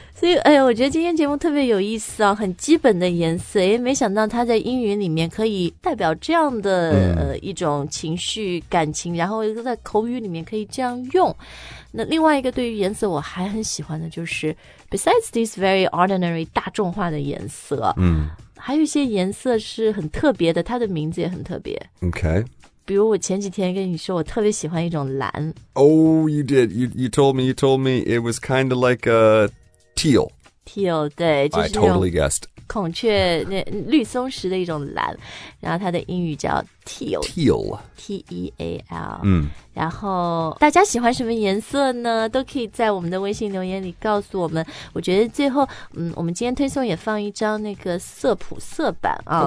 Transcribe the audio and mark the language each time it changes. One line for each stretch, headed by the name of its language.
Chinese: 所以哎呀，我觉得今天节目特别有意思啊，很基本的颜色，哎，没想到它在英语里面可以代表这样的一种情绪感情，然后在口语里面可以这样用。那另外一个对于颜色我还很喜欢的就是
English: besides this very ordinary
Chinese: 大众化的颜色，还有一些颜色是很特别的，它的名字也很特别。
English: Okay.
Chinese: 比如我前几天跟你说我特别喜欢一种蓝。
English: Oh, you did. You told me it was kind of like a teal.
Chinese: Teal, 对。就是、
English: I totally guessed.
Chinese: 孔雀那绿松石的一种蓝。然后它的英语叫 teal.
English: Teal. T-E-A-L.
Chinese: 然后大家喜欢什么颜色呢都可以在我们的微信留言里告诉我们。我觉得最后我们今天推送也放一张那个色谱色板啊、